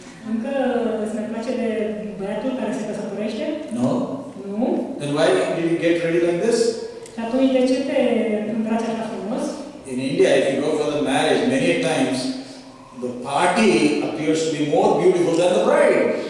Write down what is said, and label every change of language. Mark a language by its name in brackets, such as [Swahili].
[Romanian] Încă îți mai place de băiatul care se căsătorește? [English] No. [Romanian] Nu. [English] Then why did you get ready like this? [Romanian] Și atunci de ce te îmbraci așa frumos? [English] In India, if you go for the marriage, many times the party appears to be more beautiful than the bride.